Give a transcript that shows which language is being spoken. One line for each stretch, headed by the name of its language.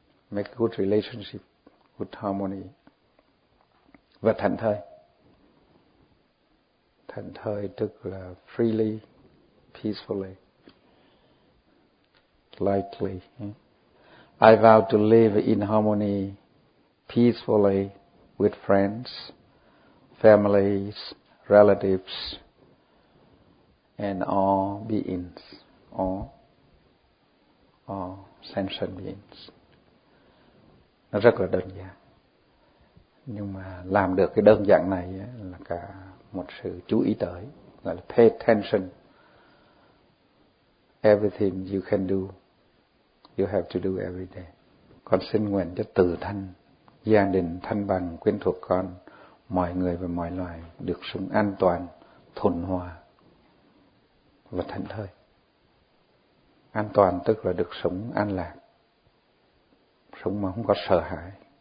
English: Make good relationship, good harmony.
Vietnamese: Và thảnh thơi. Thảnh thơi tức là
English: freely, peacefully, lightly. I vow to live in harmony, peacefully, with friends, families, relatives, and all beings, all sentient beings.
Vietnamese: Nó rất là đơn giản. Nhưng mà làm được cái đơn giản này là cả một sự chú ý tới, gọi là
English: pay attention. Everything you can do, you have to do every day.
Vietnamese: Con xin nguyện cho tự thân, gia đình, thân bằng, quyến thuộc con, mọi người và mọi loài được sống an toàn, thuần hòa và thảnh thơi. An toàn tức là được sống an lạc, sống mà không có sợ hãi.